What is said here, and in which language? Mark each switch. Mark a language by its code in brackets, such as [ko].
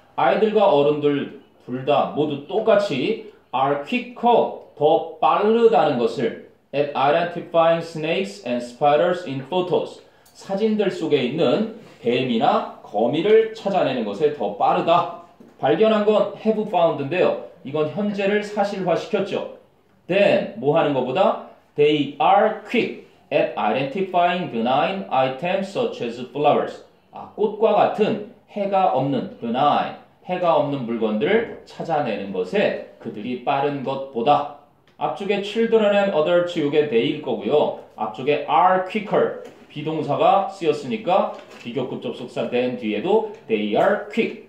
[ko] 아이들과 어른들 둘 다 모두 똑같이 [en] are quicker, [ko] 더 빠르다는 것을 [en] at identifying snakes and spiders in photos. [ko] 사진들 속에 있는 뱀이나 거미를 찾아내는 것에 더 빠르다. 발견한 건 have found인데요. 이건 현재를 사실화시켰죠. Then, 뭐 하는 것보다? [en] They are quick at identifying benign items such as flowers. [ko] 아, 꽃과 같은 해가 없는 benign, 해가 없는 물건들을 찾아내는 것에 그들이 빠른 것보다. 앞쪽에 [en] children and adults [ko] 이게 they일 거고요. 앞쪽에 are quicker. 비동사가 쓰였으니까 비교급 접속사 then 뒤에도 they are quick.